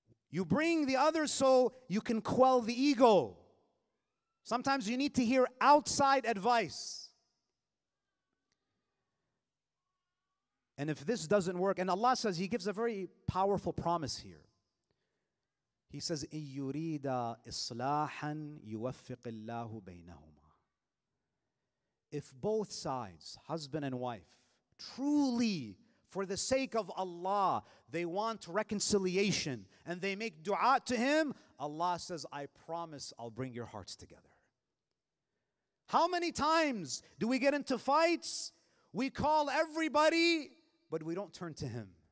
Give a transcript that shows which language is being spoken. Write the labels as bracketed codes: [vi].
[en] You bring the other so you can quell the ego. Sometimes you need to hear outside advice. And if this doesn't work, and Allah says, he gives a very powerful promise here. He says, [ar] إِن يُرِيدَ إِصْلَاحًا يُوَفِّقِ اللَّهُ بَيْنَهُمْ. [en] If both sides, husband and wife, truly, for the sake of Allah, they want reconciliation and they make dua to him, Allah says, I promise I'll bring your hearts together. How many times do we get into fights? We call everybody, but we don't turn to him.